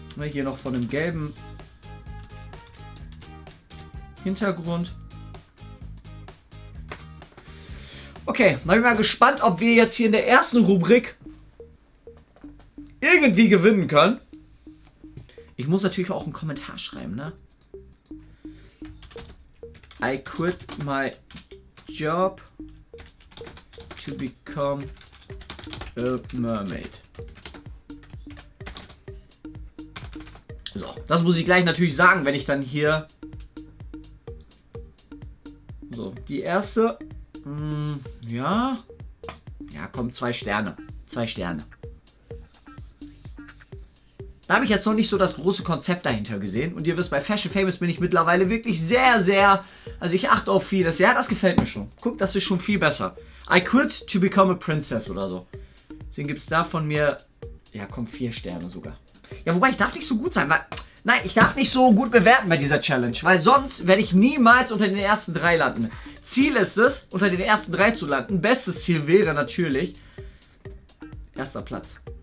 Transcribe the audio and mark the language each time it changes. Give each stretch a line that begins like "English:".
German: Hier noch von dem gelben Hintergrund. Okay, mal bin mal gespannt, ob wir jetzt hier in der ersten Rubrik irgendwie gewinnen können. Ich muss natürlich auch einen Kommentar schreiben, ne?
English: I quit my job to become a mermaid.
German: So, das muss ich gleich natürlich sagen, wenn ich dann hier... So, die erste... ja. Ja, komm, 2 Sterne. 2 Sterne. Da habe ich jetzt noch nicht so das große Konzept dahinter gesehen. Und ihr wisst, bei Fashion Famous bin ich mittlerweile wirklich sehr, sehr... Also ich achte auf vieles. Ja, das gefällt mir schon. Guck, das ist schon viel besser.
English: I quit to become a princess
German: oder so. Deswegen gibt es da von mir... Ja, komm, 4 Sterne sogar. Ja, wobei, ich darf nicht so gut sein, weil... Nein, ich darf nicht so gut bewerten bei dieser Challenge, weil sonst werde ich niemals unter den ersten 3 landen. Ziel ist es, unter den ersten 3 zu landen. Bestes Ziel wäre natürlich... 1. Platz.